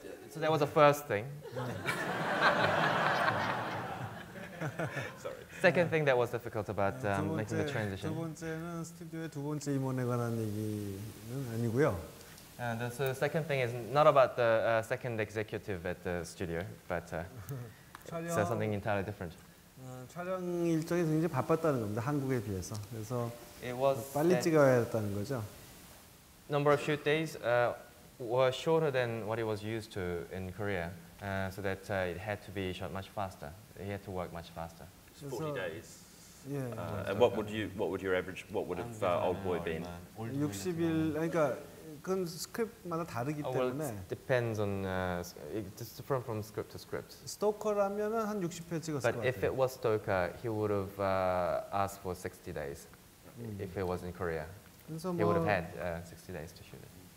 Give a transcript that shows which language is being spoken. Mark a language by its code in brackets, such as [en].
[en] So that was the first thing. Sorry. second thing that was difficult about 네, [ko] 번째, [en] making the transition. [ko] 두 번째는 스튜디오의 두 번째 임원에 관한 얘기는 아니고요. [en] And so the second thing is not about the second executive at the studio, but it's something entirely different. [ko] 촬영 일정이 굉장히 바빴다는 겁니다. 한국에 비해서. 그래서 [en] it was [ko] 빨리 찍어야 했다는 거죠. [en] Number of shoot days were shorter than what it was used to in Korea, so that it had to be shot much faster. He had to work much faster. 40 days. And what would you, what would your average, what would have old boy been? [ko] 60일, 그러니까 그건 스크립트마다 다르기 때문에. [en] Well, it depends on, it's different from script to script. [ko] 스토커라면은 한 60회 찍었을 것 같아요. [en] But if it was Stoker, he would have asked for 60 days. If it was in Korea, he would have had 60 days to shoot it.